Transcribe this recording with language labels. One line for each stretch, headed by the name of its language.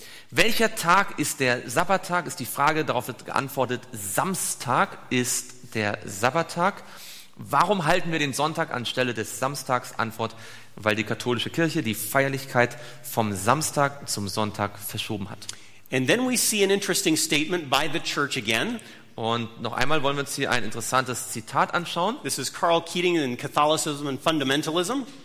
German: Welcher Tag ist der Sabbattag? Ist die Frage, darauf wird geantwortet, Samstag ist der Sabbattag. Warum halten wir den Sonntag anstelle des Samstags? Antwort, weil die katholische Kirche die Feierlichkeit vom Samstag zum Sonntag verschoben hat.
English: And then we see an interesting statement by the church again.
German: Und noch einmal wollen wir uns hier ein interessantes Zitat anschauen.
English: This is Carl Keating in Catholicism and Fundamentalism.